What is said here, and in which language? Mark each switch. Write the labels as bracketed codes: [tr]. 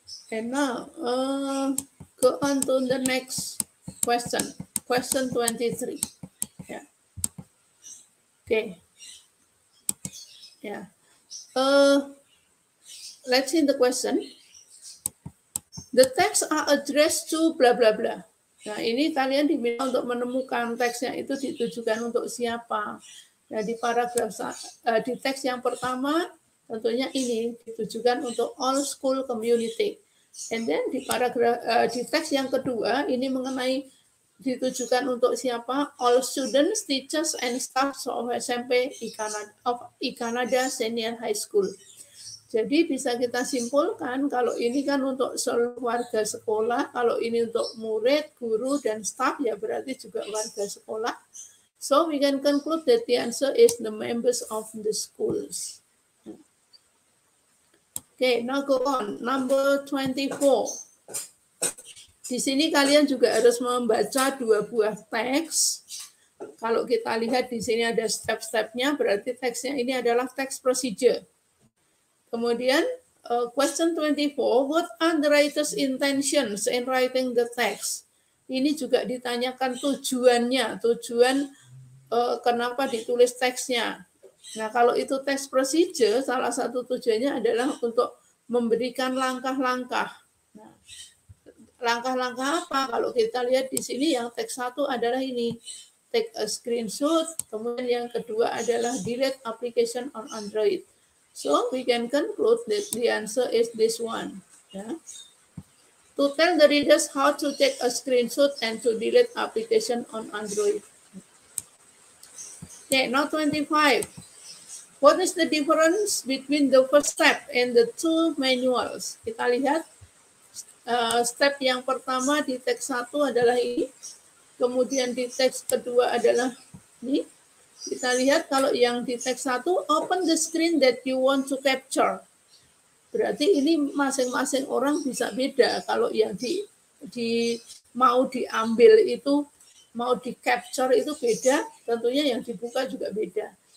[en] And now, go on to the next question. Question 23. Yeah. Okay. Yeah. Let's see the question. The texts are addressed to blah, blah, blah. [id] Nah, ini kalian diminta untuk menemukan teksnya itu ditujukan untuk siapa. Nah, di paragraf di teks yang pertama tentunya ini ditujukan untuk [en] all school community. And then [id] di paragraf di teks yang kedua ini mengenai ditujukan untuk siapa? [en] All students, teachers and staff of SMP Ikanada Senior High School. [id] Jadi bisa kita simpulkan kalau ini kan untuk seluruh warga sekolah, kalau ini untuk murid, guru, dan staff, ya berarti juga warga sekolah. [en] So we can conclude that the answer is the members of the schools. Okay, now go on. Number 24. [id] Di sini kalian juga harus membaca dua buah teks. Kalau kita lihat di sini ada step-stepnya, berarti teksnya ini adalah teks procedure. Kemudian, [en] question 24, what are the writer's intentions in writing the text? [id] Ini juga ditanyakan tujuannya, tujuan kenapa ditulis teksnya. Nah, kalau itu teks procedure, salah satu tujuannya adalah untuk memberikan langkah-langkah. Nah, langkah-langkah apa? Kalau kita lihat di sini, yang teks satu adalah ini, [en] take a screenshot, [id] kemudian yang kedua adalah [en] delete application on Android. So we can conclude that the answer is this one. Yeah. To tell the readers how to take a screenshot and to delete application on Android. Okay, now 25. What is the difference between the first step and the two manuals? [id] Kita lihat step yang pertama di teks satu adalah ini. Kemudian di teks kedua adalah ini. Kita lihat kalau yang di teks 1, [en] open the screen that you want to capture. [id] Berarti ini masing-masing orang bisa beda kalau yang di mau diambil itu, mau di capture itu beda, tentunya yang dibuka juga beda.